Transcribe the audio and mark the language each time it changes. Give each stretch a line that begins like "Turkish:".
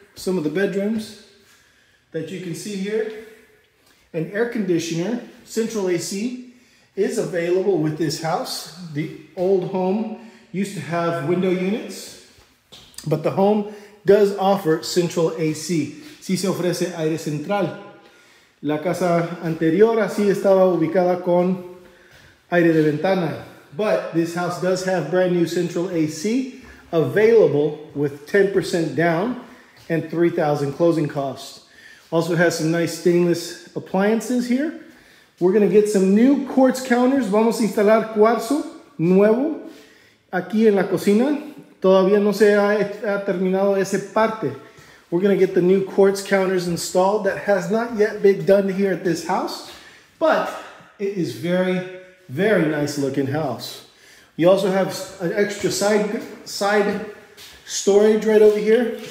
English: Some of the bedrooms that you can see here. An air conditioner, central AC, is available with this house. The old home used to have window units, but the home does offer central AC.
Spanish: Sí se ofrece aire central. La casa anterior así estaba ubicada con aire de ventana.
English: But this house does have brand new central AC available with 10% down and $3,000 closing costs. Also has some nice stainless appliances here. We're going to get some new quartz counters.
Spanish: Vamos a instalar cuarzo nuevo aquí en la cocina. Todavía no se ha terminado ese parte.
English: We're going to get the new quartz counters installed. That has not yet been done here at this house, but it is very, very nice looking house. You also have an extra side storage right over here.